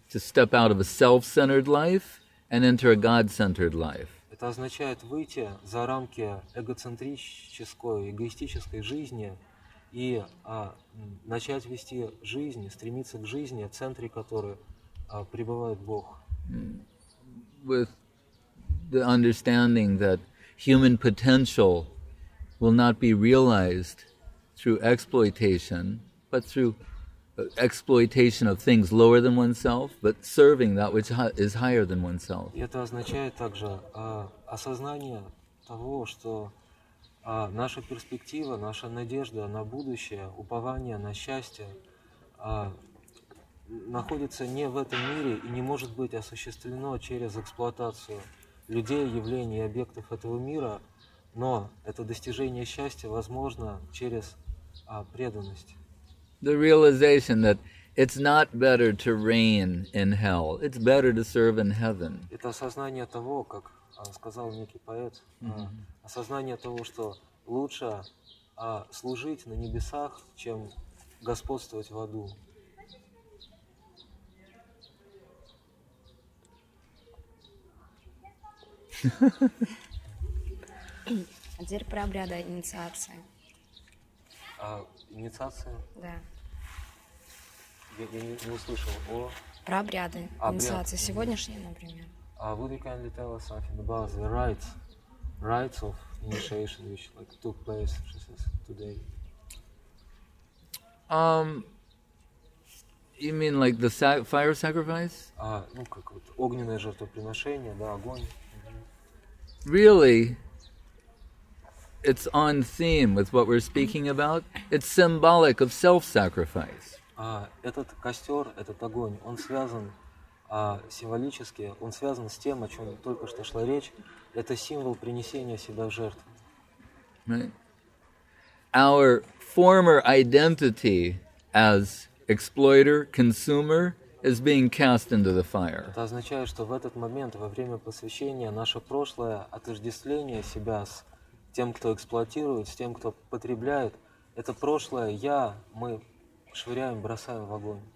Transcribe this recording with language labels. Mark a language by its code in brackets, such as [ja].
[en] To step out of a self-centered life and enter a God-centered life. [ru] Это означает выйти за рамки эгоцентрической, эгоистической жизни и начать вести жизнь, стремиться к жизни, в центре которой пребывает Бог. [en] With the understanding that human potential will not be realized through exploitation, but through exploitation of things lower than oneself, but serving that which is higher than oneself. [ru] Это означает также осознание того, что наша перспектива, наша надежда на будущее, упование на счастье находится не в этом мире и не может быть осуществлено через эксплуатацию людей, явлений и объектов этого мира, но это достижение счастья возможно через преданность. [en] The realization that it's not better to reign in hell, it's better to serve in heaven. [ru] Это осознание того, как сказал некий поэт, осознание того, что лучше служить на небесах, чем господствовать в аду. А теперь про обряды инициации. А инициация? Да. Я не услышал о... Про обряды. Инициации сегодняшние, например. А вы [en] kindly tell us something about the rites, rites of initiation which like took place, she says, today. You mean like the fire sacrifice? [ru] Ну как вот огненное жертвоприношение, да, огонь. [en] Really, it's on theme with what we're speaking about. It's symbolic of self-sacrifice. [ru] Этот костер, этот огонь, он связан символически, он связан с тем, о чем только что шла речь. Это символ принесения себя в жертву. [en] Right. Our former identity as exploiter, consumer, is being cast into the fire. [ru] Это означает, что в этот момент, во время посвящения, наше прошлое отождествление себя с тем, кто эксплуатирует, с тем, кто потребляет, это прошлое я, мы швыряем, бросаем в огонь.